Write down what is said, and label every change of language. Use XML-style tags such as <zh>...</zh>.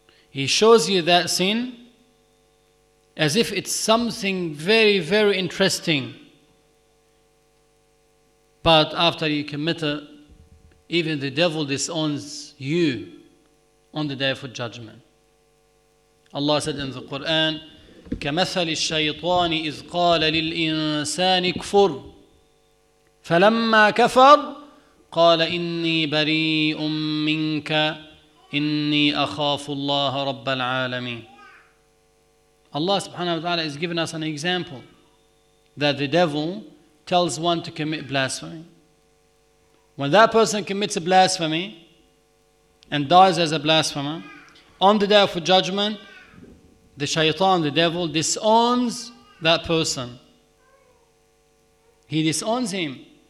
<en>He shows you that sin as if it's something very, very interesting. But after you commit it, even the devil disowns you on the day of judgment.</en> <ar>Allah said in the Quran, كَمَثَلِ الشَّيْطَانِ إِذْ قَالَ لِلْإِنسَانِ كُفُرْ فَلَمَّا كَفَرْ قَالَ إِنِّي بَرِيءٌ مِّنْكَ إِنِّي أَخَافُ اللَّهَ رَبَّ الْعَالَمِينَ.</ar> <en>Allah subhanahu wa ta'ala is giving us an example that the devil tells one to commit blasphemy. When that person commits a blasphemy and dies as a blasphemer, on the day of judgment, the shaitan, the devil, disowns that person. He disowns him.</en>